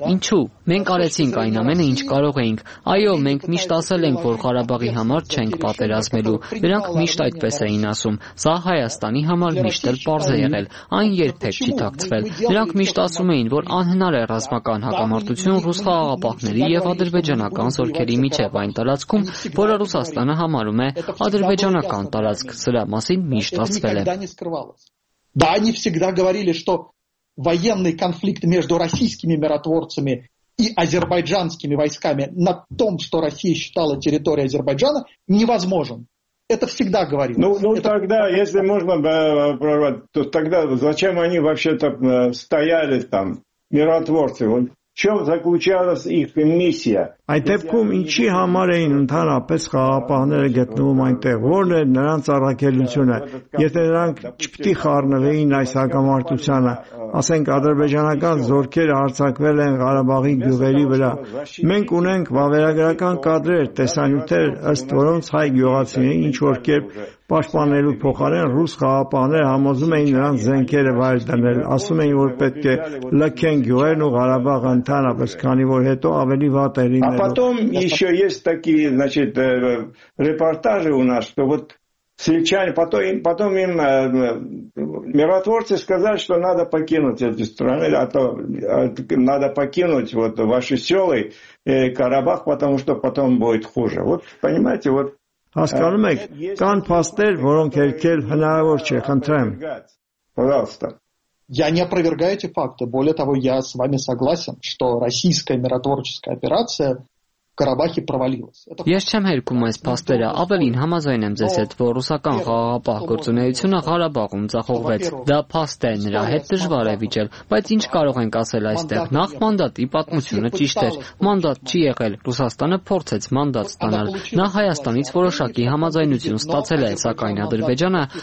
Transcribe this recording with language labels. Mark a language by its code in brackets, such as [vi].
[hy] «Ինչու՞, մենք արեցինք այն ամենը, ինչ կարող էինք»։ Այո, մենք միշտ ասել ենք, որ Ղարաբաղի համար չենք պատերազմելու, նրանք միշտ այդպես էին ասում, սա Հայաստանի համար միշտ էլ պարզ է եղել, այն երբեք չի ակցվել։ Նրանք միշտ ասում էին, որ անհնար է ռազմական հակամարտություն ռուս խաղաղապահների և ադրբեջանական զորքերի միջև այն տարածքում, որը Ռուսաստանը համարում է ադրբեջանական տարածք, սրա մասին միշտ ասվել է։ [ru] Да они всегда говорили, что военный конфликт между российскими миротворцами и азербайджанскими войсками на том, что Россия считала территорией Азербайджана, невозможен. Это всегда говорили. Тогда, если можно, то тогда зачем они вообще-то стояли там, миротворцы? Чем заключалась их миссия? [hy] Այ դեպքում ինչի համար էին ընդհանրապես խաղապահները գտնվում այնտեղ, որն է նրանց առաքելությունը, եթե նրանք չպտի խառնվեին այս հակամարտությանը, ասենք ադրբեջանական զորքերը արձակվել են Ղարաբաղի գյուղերի վրա, մենք ունենք վավերագրական կադրեր, տեսանյութեր, ըստ որոնց հայ գյուղացիները ինչ որ կերպ պաշտպանելու փոխարեն ռուս խաղապահները համոզում էին նրանց զենքերը վայր դնել, ասում էին, որ պետք է լքեն գյուղերն ու Ղարաբաղը ընդհանրապես, քանի որ հետո ավելի վատ է։ [ru] А потом еще есть такие, значит, репортажи у нас, что вот сельчане, потом им миротворцы сказали, что надо покинуть эту страну, а то надо покинуть вот ваши села и Карабах, потому что потом будет хуже. Вот понимаете, вот... [hy] Хасканум, кан пастер, ворон келькел, хнаевор че, хантрэм. [ru] Пожалуйста. Я не опровергаю эти факты. Более того, я с вами согласен, что российская миротворческая операция [hy] Ես չեմ հերքում այս փաստերը, ավելին համաձայն եմ ձեզ հետ, որ ռուսական խաղաղապահ գործունեությունը Ղարաբաղում ձախողվեց։ Դա փաստ է, նրա հետ դժվար է վիճել, բայց ինչ կարող ենք ասել այստեղ, նախ մանդատի պատմությունը ճիշտ էր, մանդատ չի եղել, Ռուսաստանը փորձեց մանդատ ստանալ, նա Հայաստանից որոշակի համաձայնություն ստացել է, սակայն Ադրբեջանը